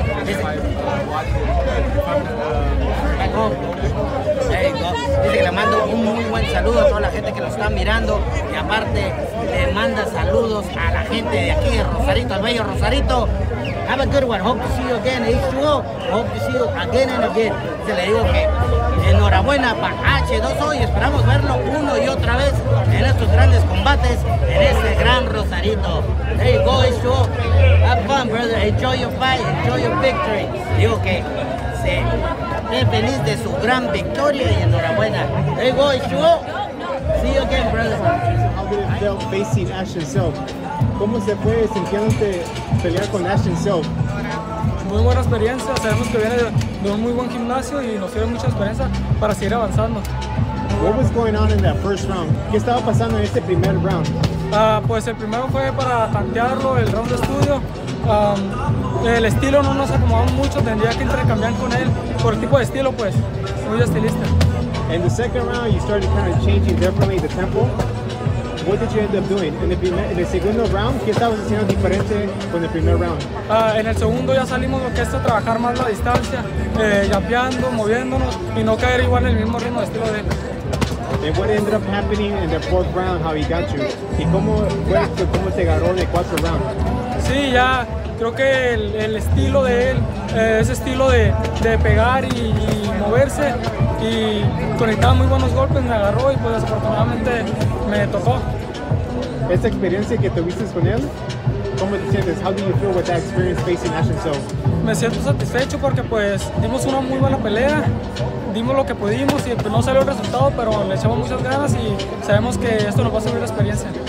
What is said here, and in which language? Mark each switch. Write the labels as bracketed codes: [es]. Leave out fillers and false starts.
[es] Dice que le mando un muy buen saludo a toda la gente que lo está mirando y aparte le manda saludos a la gente de aquí, de Rosarito, al bello Rosarito. [en] Have a good one, hope to see you again, H2O, hope to see you again and again. [es] Se le digo que enhorabuena para H2O y esperamos verlo uno y otra vez en estos grandes combates en este gran Rosarito. [en] There you go, H2O, have fun, brother, enjoy your fight, enjoy your victory. [es] Digo que se... Qué feliz de su gran victoria y enhorabuena. [en] Hey boy, show. See you again, brother. How did it feel facing Ashton Silk? [es] ¿Cómo se fue sintiéndote pelear con Ashton Silk? Muy buena experiencia. Sabemos que viene de un muy buen gimnasio y nos dio mucha experiencia para seguir avanzando. [en] What was going on in that first round? [es] ¿Qué estaba pasando en este primer round? Pues el primero fue para tantearlo, el round de estudio. El estilo no nos acomodamos mucho, tendría que intercambiar con él por el tipo de estilo, pues, muy estilista. [en] In the second round, you started kind of changing differently the tempo. What did you end up doing? [es] En el segundo round, ¿qué estabas haciendo diferente con el primer round? En el segundo ya salimos lo que es trabajar más la distancia, yapeando, moviéndonos y no caer igual en el mismo ritmo de estilo de él. [en] And what ended up happening in the fourth round, how he got you? [es] ¿Y cómo te agarró en el cuarto round? Sí, ya creo que el estilo de él, ese estilo de pegar y moverse y conectaba muy buenos golpes, me agarró y pues desafortunadamente me tocó. Esta experiencia que tuviste con él, ¿cómo te sientes? [en] How do you feel with that experience facing Ashton Silva? [es] Me siento satisfecho porque pues dimos una muy buena pelea, dimos lo que pudimos y pues, no salió el resultado, pero le echamos muchas ganas y sabemos que esto nos va a servir de experiencia.